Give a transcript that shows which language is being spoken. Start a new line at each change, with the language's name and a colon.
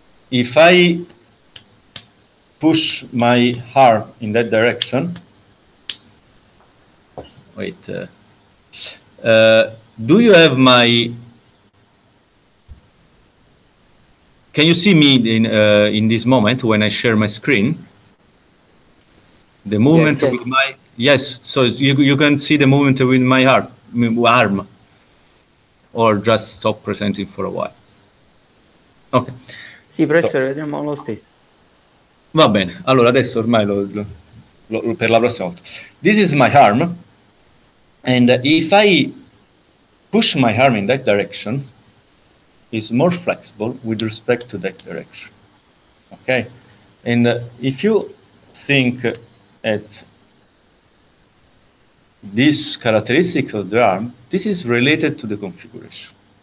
English: If I push my arm in that direction, do you have my, can you see me in this moment when I share my screen? The movement with my, yes, so you can see the movement with my arm, or just stop presenting for a while. Okay.
Italian: Sì, professore, vediamo lo stesso. Va bene, allora adesso ormai lo per la prossima volta.
English: This is my arm, and if I push my arm in that direction, it's more flexible with respect to that direction. Okay? And if you think at this characteristic of the arm, this is related to the configuration.